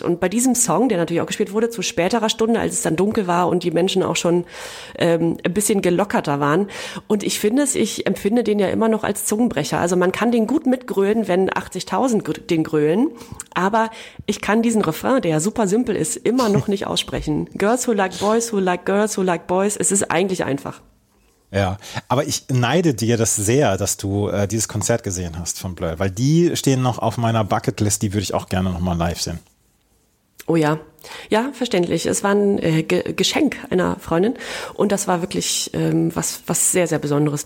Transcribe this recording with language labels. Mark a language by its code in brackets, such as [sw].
[de] Und bei diesem Song, der natürlich auch gespielt wurde, zu späterer Stunde, als es dann dunkel war und die Menschen auch schon ein bisschen gelockerter waren. Und ich empfinde den ja immer noch als Zungenbrecher. Also man kann den gut mitgrölen, wenn 80.000 den grölen. Aber ich kann diesen Refrain, der ja super simpel ist, immer noch nicht aussprechen. [en] Girls who like boys, who like girls, who like boys. [de] Es ist eigentlich einfach. Ja, aber ich neide dir das sehr, dass du dieses Konzert gesehen hast von Blur, weil die stehen noch auf meiner Bucketlist, die würde ich auch gerne nochmal live sehen. Oh ja. Ja, verständlich. Es war ein Geschenk einer Freundin und das war wirklich was sehr, sehr Besonderes.